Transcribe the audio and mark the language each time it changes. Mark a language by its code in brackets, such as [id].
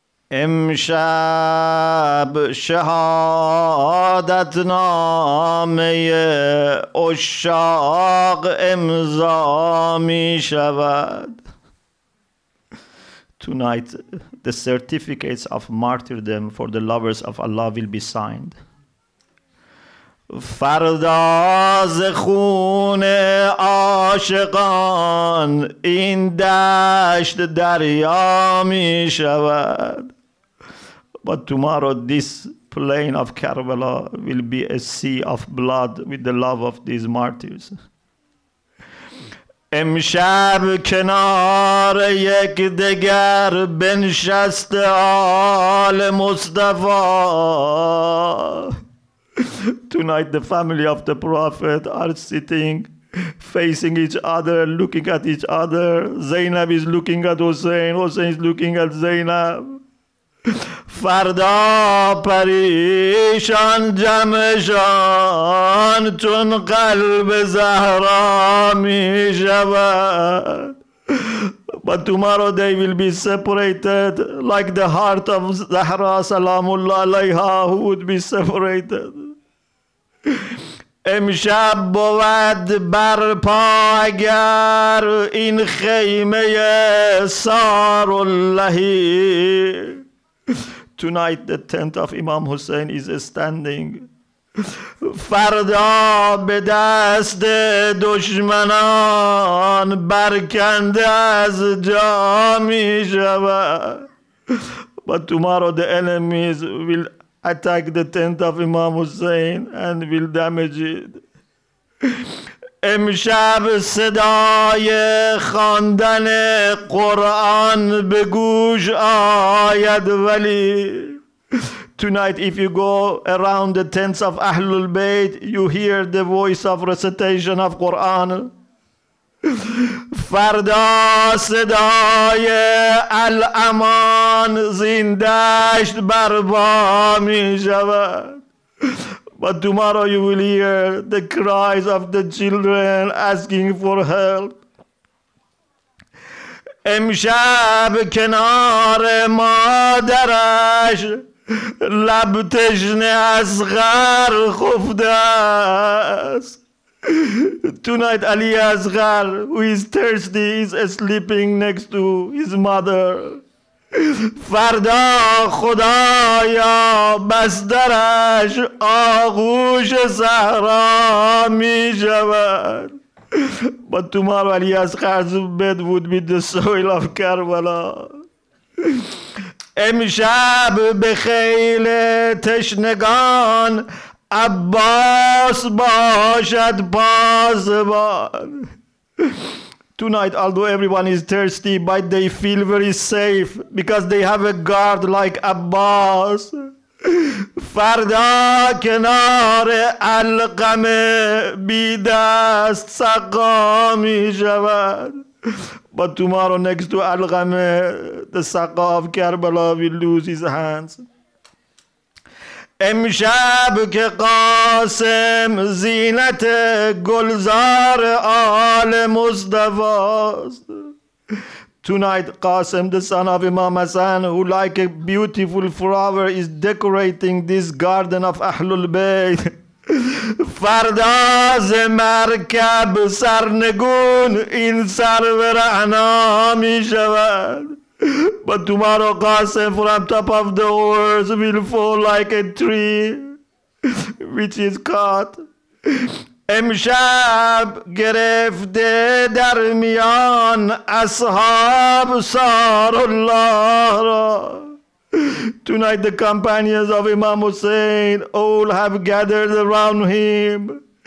[fa] امشب شهادت نامه عشاق امضا می شود. [en] Tonight, the certificates of martyrdom for the lovers of Allah will be signed. [fa] فردا ز خون عاشقان این دشت دریا می شود. [en] But tomorrow this plain of Karbala will be a sea of blood with the love of these martyrs. [fa] امشب کنار یک دگر بنشست آل مصطفی. [en] Tonight the family of the Prophet are sitting facing each other, looking at each other. Zainab is looking at Hussein, Hussein is looking at Zainab. [fa] فردا پریشان جمعشان چون قلب زهرا می شود. [en] But tomorrow they will be separated like the heart of Zahra Salamullah alayha, who would be separated. [fa] امشب بود برپا اگر این خیمه سار اللهی. [en] Tonight the tent of Imam Hussein is standing. [fa] فردا به دست دشمنان برکنده از جا می شود. [en] But tomorrow the enemies will attack the tent of Imam Hussein and will damage it. [fa] امشب صدای خواندن قرآن به گوش آید ولی. [en] Tonight if you go around the tents of Ahlul Bayt, you hear the voice of recitation of Quran. [fa] فردا صدای الامان زیندشت بربا می شود. [en] But tomorrow you will hear the cries of the children asking for help. [fa] امشب کنار مادرش لب تشنه از غر خفته است. [en] Tonight Ali Asghar, who is thirsty, is sleeping next to his mother. [fa] فردا خدایا بسترش آغوش زهرا می شود. [en] But tomorrow Ali Asghar's bed would be the soil of Karbala. [fa] امشب به خیل تشنگان عباس باشد پاسبان. [en] Tonight, although everyone is thirsty, but they feel very safe because they have a guard like Abbas. [fa] فردا کنار القم بیدست سقا می شود. [en] But tomorrow next to القم, the سقا of Karbala will lose his hands. [fa] امشب که قاسم زینت گلزار آل مصطفی است. [en] Tonight قاسم, the son of Imam Hassan, who like a beautiful flower is decorating this garden of Ahlul Bayt. [fa] فردا ز مرکب سرنگون این سرور عنا می شود. [en] But tomorrow Qasim from top of the horse will fall like a tree which is cut. [fa] امشب گرفته در میان اصحاب سار الله را. [en] Tonight the companions of Imam Hussein all have gathered around him.